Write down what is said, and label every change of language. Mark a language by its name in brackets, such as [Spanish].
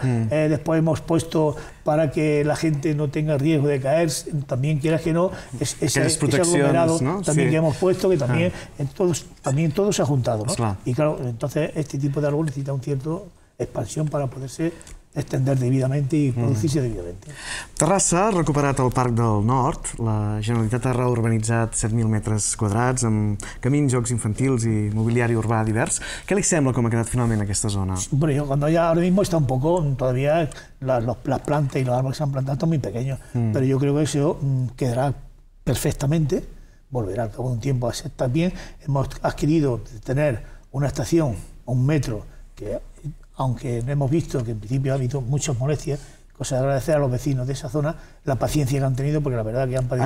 [Spanish] Después hemos puesto para que la gente no tenga riesgo de caer, también quieras que no, ese aglomerado, ¿no? También sí. Que hemos puesto, que también, también todo se ha juntado, ¿no? Claro. Y claro, entonces este tipo de árbol necesita un cierto expansión para poderse extender debidamente y producirse debidamente. [Catalan] Terrassa ha recuperat el Parc del Nord. La Generalitat ha reurbanitzat 7.000 metres quadrats amb camins, jocs infantils i mobiliari urbà divers. Què li sembla com ha quedat finalment aquesta zona? [Spanish] Bueno, yo cuando ya ahora mismo está un poco, todavía las plantas y los árboles que se han plantado están muy pequeños, pero yo creo que eso quedará perfectamente, volverá al cabo de un tiempo a ser también. Hemos adquirido tener una estación, un metro, que aunque hemos visto que en principio ha habido muchas molestias, cosa de agradecer a los vecinos de esa zona la paciencia que han tenido, porque la verdad que han padecido...